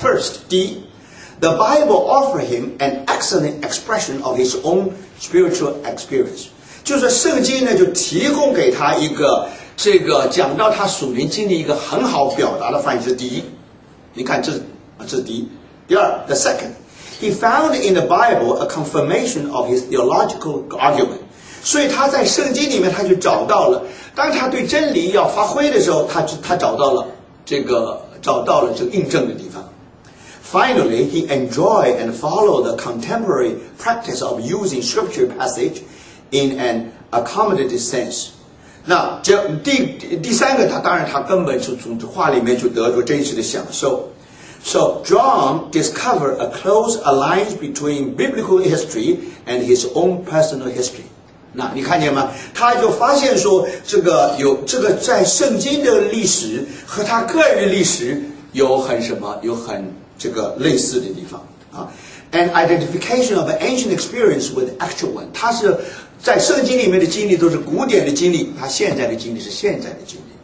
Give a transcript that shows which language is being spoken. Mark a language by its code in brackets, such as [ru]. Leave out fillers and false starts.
[en] First， [zh] 第一。 [en] The Bible offered him an excellent expression of his own spiritual experience. [zh] 就是圣经呢，就提供给他一个这个讲到他属灵经历一个很好表达的翻译。这是第一，你看这是第一。第二 [en] ，the second, he found in the Bible a confirmation of his theological argument. [zh] 所以他在圣经里面他就找到了，当他对真理要发挥的时候，他找到了这个印证的地方。 [en] Finally, he enjoyed and followed the contemporary practice of using scripture passage in an accommodative sense. [zh] 那第三个，他当然他根本是从话里面就得出真实的享受。 [en] So John discovered a close alliance between biblical history and his own personal history. [zh] 那你看见吗？他就发现说这个在圣经的历史和他个人的历史有很这个类似的地方啊 ， [en] an identification of an ancient experience with actual one， [zh] 他是在圣经里面的经历都是古典的经历，他现在的经历是现在的经历。